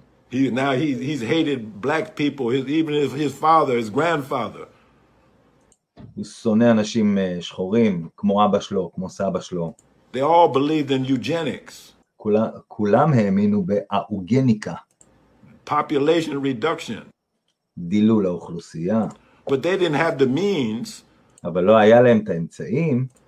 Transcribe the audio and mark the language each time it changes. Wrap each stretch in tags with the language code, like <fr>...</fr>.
<en>He's hated black people, even if his father, his grandfather.</en> <he>הוא שונא אנשים שחורים, כמו אבא שלו, כמו סבא שלו.</he> <en>They all believed in eugenics.</en> <he>כולם האמינו באוגניקה.</he> <en>Population reduction.</en> <he>דילול האוכלוסייה.</he> <en>But they didn't have the means.</en> <he>אבל לא היה להם את האמצעים.</he>